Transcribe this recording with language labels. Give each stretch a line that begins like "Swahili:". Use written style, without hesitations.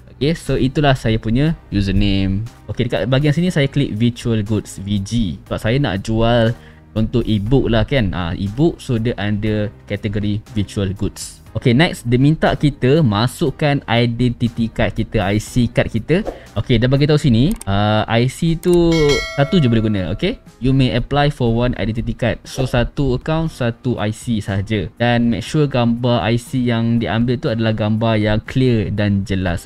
Malay: Okay, so itulah saya punya username. Okay, dekat bahagian sini saya klik virtual goods VG sebab saya nak jual contoh e-book lah, kan? E-book, so dia under kategori virtual goods. Okay, next dia minta kita masukkan identity card kita, IC card kita. Okay, dah bagi tahu sini, IC tu satu je boleh guna.
English: Okay, you may apply for one identity card.
Malay: So satu account, satu IC sahaja. Dan
English: make sure
Malay: gambar IC yang diambil tu adalah gambar yang clear dan jelas.